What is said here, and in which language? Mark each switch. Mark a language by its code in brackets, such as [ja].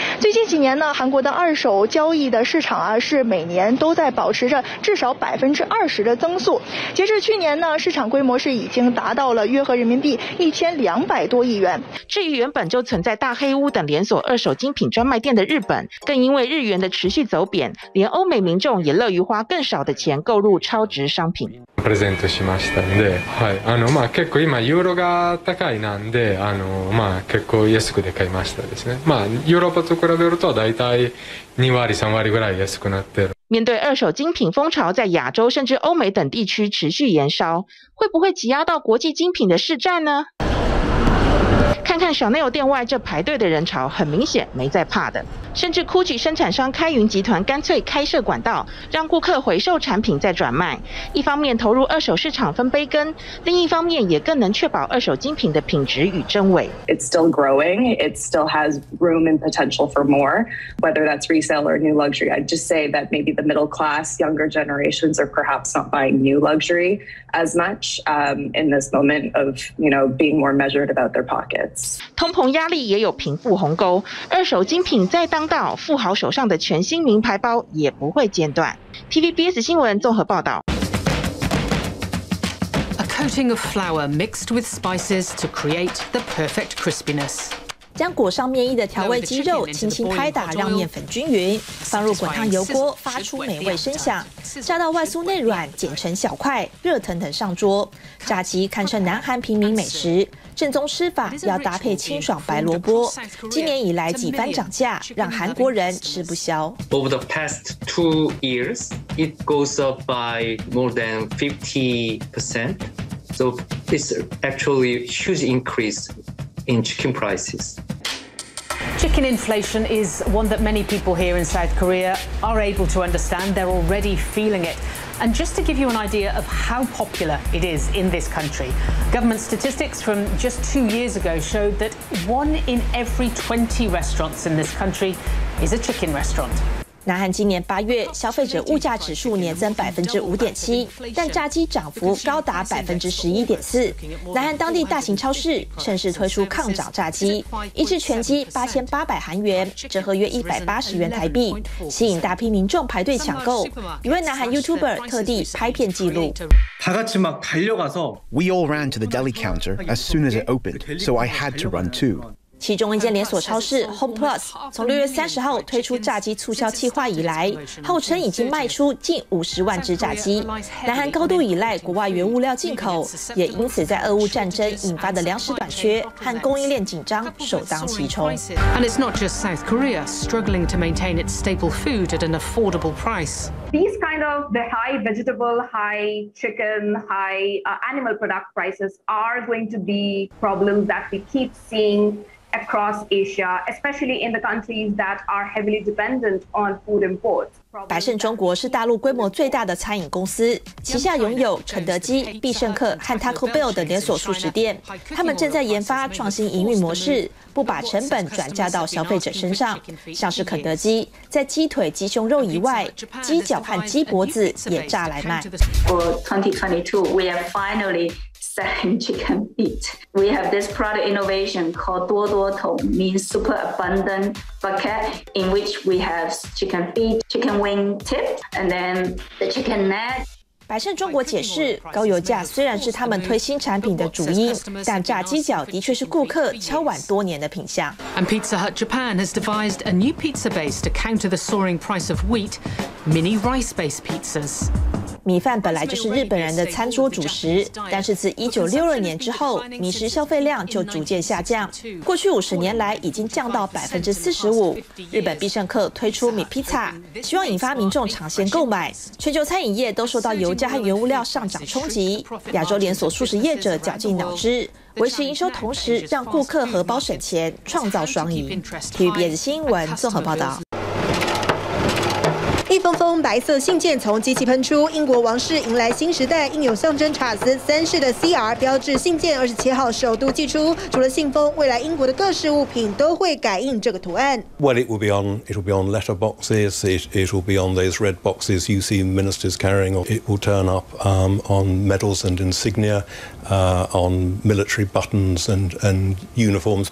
[zh] 最近几年呢，韩国的二手交易的市场啊，是每年都在保持着至少20%的增速。截至去年呢，市场规模是已经达到了约合人民币1200多亿元。至于原本就存在大黑屋等连锁二手精品专卖店的日本，更因为日元的持续走贬，连欧美民众也乐于花更少的钱购入超值商品。 [ja] プレゼントしましたんで、はい、まあ結構今ユーロが高いなんで、まあ結構安くで買いましたですね。まあヨーロッパと比べるとだいたい2割、3割ぐらい安くなってる。 [zh] 面对二手精品风潮在亚洲甚至欧美等地区持续延烧，会不会挤压到国际精品的市占呢？看看 Chanel 店外这排队的人潮，很明显没在怕的。甚至 GUCCI 生产商开云集团干脆开设管道，让顾客回收产品再转卖，一方面投入二手市场分杯羹，另一方面也更能确保二手精品的品质与真伪。 [en] It's still growing. It still has room and potential for more, whether that's resale or new luxury. I'd just say that maybe the middle class, younger generations are perhaps not buying new luxury as much in this moment of being more measured about their pockets. [zh] 通膨压力也有贫富鸿沟，二手精品在当道，富豪手上的全新名牌包也不会间断。 TVBS 新闻综合报道。 [en] A coating of flour mixed with spices to create the perfect crispiness. [zh] 将裹上面衣的调味鸡肉轻轻拍打，让面粉均匀，放入滚烫油锅发出美味声响，炸到外酥内软，剪成小块，热腾腾上桌。炸鸡堪称南韩平民美食，正宗吃法要搭配清爽白萝卜，今年以来几番涨价，让韩国人吃不消。 [en] Over the past two years, it goes up by more than 50%. So it's actually a huge increase in chicken prices. Chicken inflation is one that many people here in South Korea are able to understand. They're already feeling it. And just to give you an idea of how popular it is in this country, government statistics from just 2 years ago showed that one in every 20 restaurants in this country is a chicken restaurant. [zh] 南韩今年八月消费者物价指数年增5.7%，但炸鸡涨幅高达11.4%。南韩当地大型超市趁势推出抗涨炸鸡，一只全鸡8800韩元，折合约180元台币，吸引大批民众排队抢购。一位南韩 YouTuber 特地拍片记录。 [en] We all ran to the deli counter as soon as it opened, so I had to run too. [zh] 其中一间连锁超市 Home Plus 从6月30号推出炸鸡促销计划以来，号称已经卖出近50万只炸鸡。南韩高度依赖国外原物料进口，也因此在俄乌战争引发的粮食短缺和供应链紧张首当其冲。 [en] And it's not just South Korea struggling to maintain its staple food at an affordable price. These kind of the high vegetable, high chicken, high animal product prices are going to be problems that we keep seeing. Across Asia, especially in the countries that are heavily dependent on food imports. [zh] 百胜中国是大陆规模最大的餐饮公司，旗下拥有肯德基、必胜客和 Taco Bell 的连锁素食店。他们正在研发创新营运模式，不把成本转嫁到消费者身上。像是肯德基，在鸡腿、鸡胸肉以外，鸡脚和鸡脖子也炸来卖。 [en] For 2022, we are finally. selling chicken feet. We have this product innovation called 多多桶 means super abundant bucket, in which we have chicken feet, chicken wing tip, and then the chicken neck. [zh] 百胜中国解释，高油价虽然是他们推新产品的主因，但炸鸡脚的确是顾客敲碗多年的品项。 [en] And Pizza Hut Japan has devised a new pizza base to counter the soaring price of wheat, mini rice-based pizzas. [zh] 米饭本来就是日本人的餐桌主食，但是自1962年之后，米食消费量就逐渐下降，过去50年来已经降到 45%。日本必胜客推出米 Pizza， 希望引发民众尝鲜购买。全球餐饮业都受到油价和原物料上涨冲击，亚洲连锁素食业者绞尽脑汁，维持营收，同时让顾客荷包省钱，创造双赢。 TVBS 新闻综合报道。一封封白色信件从机器喷出，英国王室迎来新时代，印有象征查尔斯三世的 CR 标志信件27号首度寄出。除了信封，未来英国的各式物品都会改印这个图案。 [en] Well, it will be on letter boxes. It will be on those red boxes you see ministers carrying. It will turn up on medals and insignia, on military buttons and uniforms.